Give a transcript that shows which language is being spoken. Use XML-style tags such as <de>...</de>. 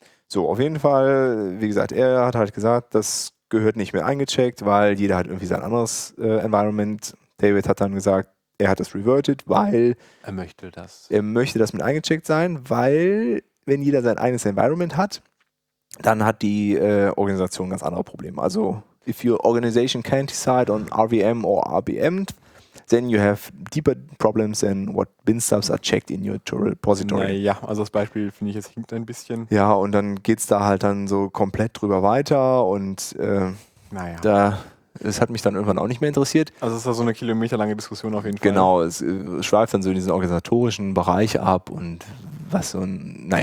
<de>So, auf jeden Fall, wie gesagt, er hat halt gesagt, das gehört nicht mehr eingecheckt, weil jeder hat irgendwie sein anderes Environment. David hat dann gesagt, er hat das reverted, weil Er möchte das mit eingecheckt sein, weil wenn jeder sein eigenes Environment hat, dann hat die Organisation ganz andere Probleme.</de> <en>Also, if your organization can't decide on RVM or RBM, then you have deeper problems than what Binstubs are checked in your repository.</en> <de>Naja, also das Beispiel finde ich jetzt hinkt ein bisschen. Ja, und dann geht es da halt dann so komplett drüber weiter und das hat mich dann irgendwann auch nicht mehr interessiert. Also es ist da so eine kilometerlange Diskussion auf jeden Fall. Genau, es schweift dann so in diesen organisatorischen Bereich ab und was so ein,</de>